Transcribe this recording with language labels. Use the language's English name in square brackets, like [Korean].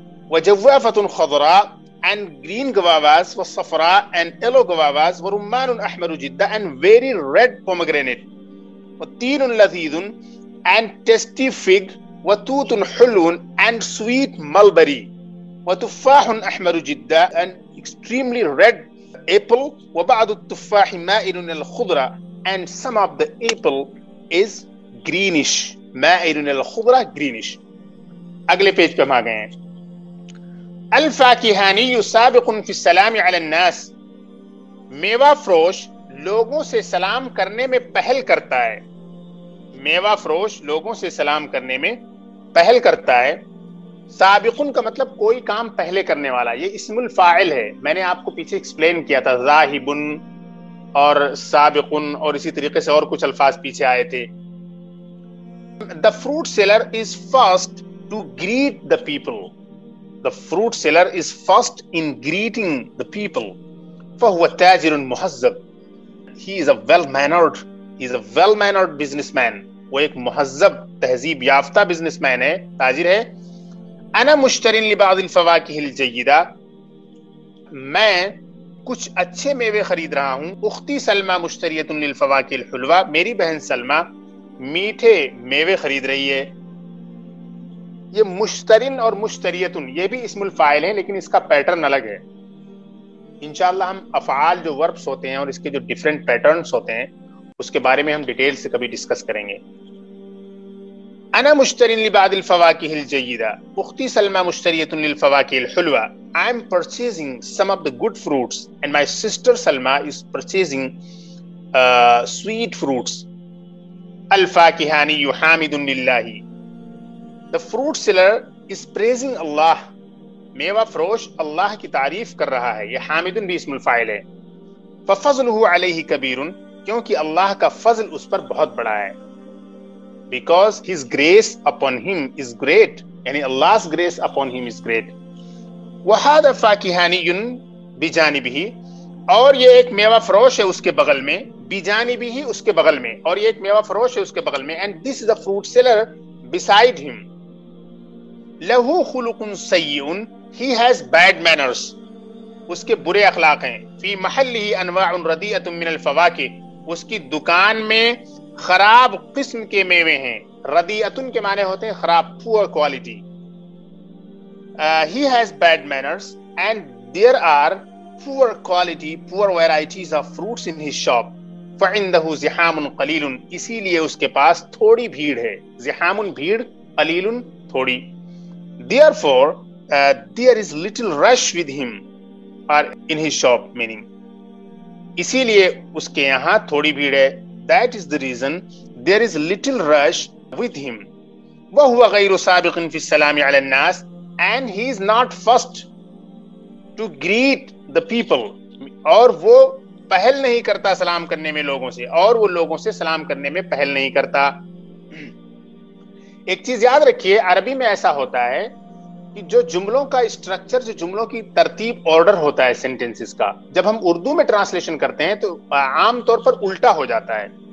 [Arabic] وجوافۃ خضراء [English] and green guavas was safra and yellow guavas were [Arabic] rumman ahmar jidda [English] and very red pomegranate [Arabic] wa teenun lazeedun [English] and tasty fig [Arabic] wa tutun hulun [English] and sweet mulberry [Arabic] wa tuffahun ahmar jidda [English] and extremely red apple wa ba'd at-tuffah [Arabic] ma'ilun al-khudra [English] and some of the apple is greenish ma'ilun al-khudra greenish. [Urdu] agle page pe hum aa gaye hain. [Arabic] الفاکہانی سابق فی السلام علی الناس, [Urdu] میوہ فروش لوگوں سے سلام کرنے میں پہل کرتا ہے. میوہ فروش لوگوں سے سلام کرنے میں پہل کرتا ہے. سابق کا مطلب کوئی کام پہلے کرنے والا, یہ اسم الفاعل ہے. میں نے آپ کو پیچھے ایکسپلین کیا تھا ذاہب اور سابق اور اسی طریقے سے اور کچھ الفاظ پیچھے آئے تھے. [English] The fruit seller is first to greet the people. The fruit seller is first in greeting the people. [Arabic] فَهُوَ تَاجِرٌ مُحَذَّبٌ. [English] He is a well-mannered, businessman. [Urdu] وہ ایک محذب تہذیب یافتہ businessman ہے, تاجر ہے. [Arabic] أَنَا مُشْتَرٍ لِبَعْضِ الْفَوَاكِهِ الْجَيِّدَةِ. [Urdu] میں کچھ اچھے میوے خرید رہا ہوں. [Arabic] اختی سلمہ مشتریت للفواکہ الحلوہ, [Urdu] میری بہن سلمہ میٹھے میوے خرید رہی ہے. یہ مشترین اور مشتریتن یہ بھی اسم الفاعل ہیں لیکن اس کا پیٹرن الگ ہے. انشاءاللہ ہم افعال جو ورپس ہوتے ہیں اور اس کے جو ڈیفرنٹ پیٹرنز ہوتے ہیں اس کے بارے میں ہم ڈیٹیل سے کبھی ڈسکس کریں گے. [Arabic] انا مشترین لبعض الفواکہ الجیدہ, اختی سلمہ مشتریت للفواکہ الحلوہ. [English] I am purchasing some of the good fruits and my sister Salma is purchasing sweet fruits. [Arabic] الفاکہانی یحامدن للہ, [English] the fruit seller is praising Allah. [Urdu] میوہ فروش اللہ کی تعریف کر رہا ہے. یہ حامدن بھی اسم الفاعل ہے. [Arabic] ففضلہ علیہ کبیرن, [Urdu] کیونکہ اللہ کا فضل اس پر بہت بڑا ہے. [English] Because his grace upon him is great, [Urdu] یعنی [English] اللہ's grace upon him is great. [Arabic] وَحَادَ فَاكِحَانِيٌ بِجَانِبِهِ, [Urdu] اور یہ ایک میوہ فروش ہے اس کے بغل میں. بِجَانِبِهِ اس کے بغل میں, اور یہ ایک میوہ فروش ہے اس کے بغل میں. [English] And this is a fruit seller beside him. [Arabic] لَهُ خُلُقٌ سَيِّئٌ, [English] he has bad manners, [Urdu] اس کے برے اخلاق ہیں. [Arabic] فِي مَحَلِّهِ أَنْوَاعٌ رَدِيَةٌ مِّنَ الْفَوَاكِهِ, [Urdu] اس کی دکان میں خراب قسم کے میوے ہیں. رَدِيَةٌ کے معنی ہوتے ہیں خراب, [English] poor quality. He has bad manners and there are poor quality, poor varieties of fruits in his shop. [Arabic] فَعِنْدَهُ زِحَامٌ قَلِيلٌ, [Urdu] اسی لیے اس کے پاس تھوڑی بھیڑ ہے. زِحَامٌ بھیڑ, قَلِيلٌ تھوڑی. [English] Therefore, there is little rush with him or in his shop, meaning [Urdu] اسی لیے اس کے یہاں تھوڑی بھیڑ ہے. [English] That is the reason there is little rush with him. [Arabic] وَهُوَ غَيْرُ سَابِقٍ فِي السَّلَامِ عَلَى النَّاسِ, [English] and he is not first to greet the people, [Urdu] اور وہ پہل نہیں کرتا سلام کرنے میں لوگوں سے, اور وہ لوگوں سے سلام کرنے میں پہل نہیں کرتا. ایک چیز یاد رکھیے, عربی میں ایسا ہوتا ہے کہ جو جملوں کا اسٹرکچر, جو جملوں کی ترتیب آرڈر ہوتا ہے سینٹینسز کا, جب ہم اردو میں ٹرانسلیشن کرتے ہیں تو عام طور پر الٹا ہو جاتا ہے.